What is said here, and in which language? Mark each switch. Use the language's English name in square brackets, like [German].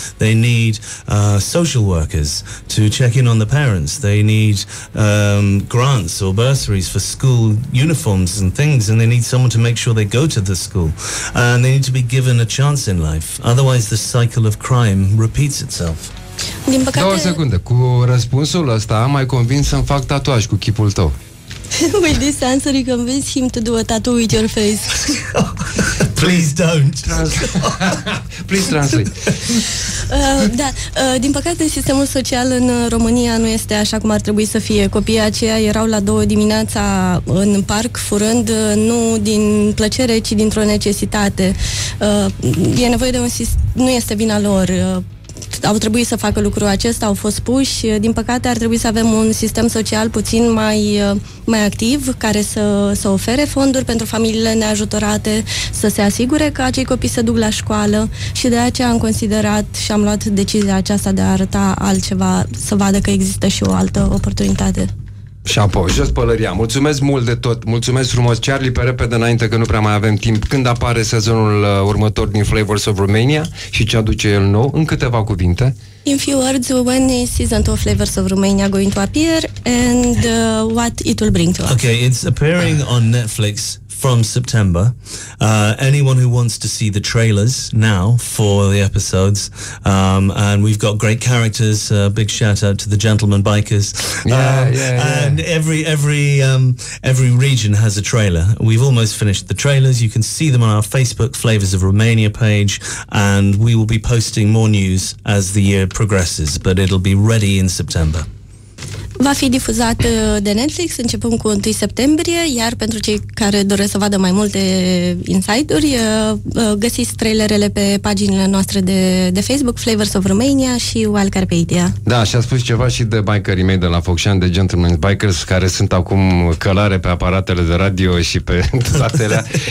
[English] They need social workers to check in on the parents. They need grants or bursaries for school uniforms and things, and they need someone to make sure they go to the school, and they need to be given a chance in life, otherwise the cycle of crime repeats itself. [Romanian] Din păcate... Da, o secundă, cu răspunsul ăsta m-ai convins să-mi fac tatuaj cu chipul tău. [English] With this answer you convince him to do a tattoo with your face. Please don't. Please translate. [Romanian] Da, din păcate sistemul social în România nu este așa cum ar trebui să fie. Copiii aceia erau la 2 dimineața în parc furând nu din plăcere, ci dintr-o necesitate. E nevoie de un sistem, nu este vina lor. Au trebuit să facă lucrul acesta, au fost puși. Din păcate ar trebui să avem un sistem social puțin mai activ, care să ofere fonduri pentru familiile neajutorate, să se asigure că acei copii se duc la școală. Și de aceea am considerat și am luat decizia aceasta de a arăta altceva, să vadă că există și o altă oportunitate. Și apoi, jos pălăria, mulțumesc mult de tot. Mulțumesc frumos, Charlie, pe repede înainte, că nu prea mai avem timp. Când apare sezonul următor din Flavors of Romania și ce aduce el nou, în câteva cuvinte? [English] In few words, when is season 2 Flavors of Romania going to appear and what it will bring to us? Okay, it's appearing on Netflix from September. Anyone who wants to see the trailers now for the episodes, and we've got great characters, big shout out to the Gentleman Bikers. And every region has a trailer. We've almost finished the trailers. You can see them on our Facebook Flavors of Romania page, and we will be posting more news as the year progresses, but it'll be ready in September. [Romanian] Va fi difuzat de Netflix începând cu 1 septembrie, iar pentru cei care doresc să vadă mai multe insight-uri, găsiți trailerele pe paginile noastre de Facebook, Flavors of Romania și Wild Carpathia. Da, și a spus ceva și de bikerii mei de la Focșani, de Gentleman Bikers, care sunt acum călare pe aparatele de radio și pe toate alea.